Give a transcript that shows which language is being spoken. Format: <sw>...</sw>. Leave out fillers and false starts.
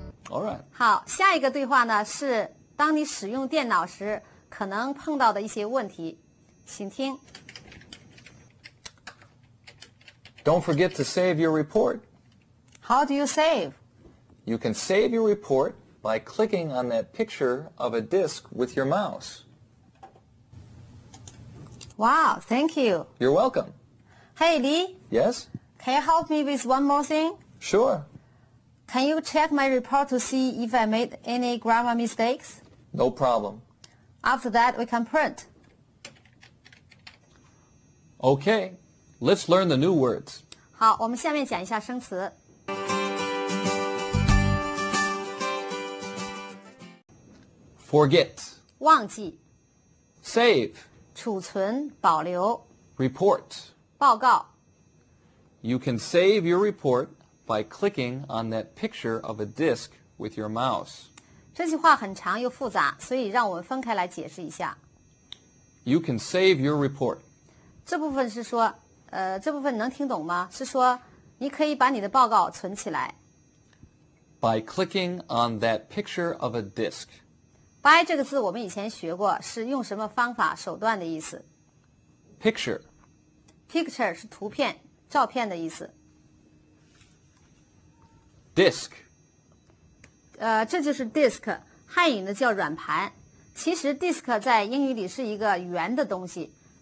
<en>All right.</en> <zh>好，下一个对话呢，是当你使用电脑时可能碰到的一些问题。请听。</zh> <en>Don't forget to save your report. How do you save? You can save your report by clicking on that picture of a disk with your mouse. Wow, thank you. You're welcome. Hey, Lee. Yes? Can you help me with one more thing? Sure. Can you check my report to see if I made any grammar mistakes? No problem. After that, we can print. Okay, let's learn the new words.</en> <zh>好，我们下面讲一下生词。</zh> <en>Forget.</en> <zh>忘记。</zh> <en>Save.</en> <zh>储存，保留。</zh> <en>Report.</en> <zh>报告。</zh> <en>You can save your report by clicking on that picture of a disk with your mouse.</en> <zh>这句话很长又复杂，所以让我们分开来解释一下。 You can save your report. 这部分是说，这部分能听懂吗？是说，你可以把你的报告存起来。 By clicking on that picture of a disk. By 这个字我们以前学过，是用什么方法、手段的意思。 Picture. Picture 是图片、照片的意思。 Disk. 这就是 disk， 汉语呢叫软盘。其实 disk 在英语里是一个圆的东西。</zh>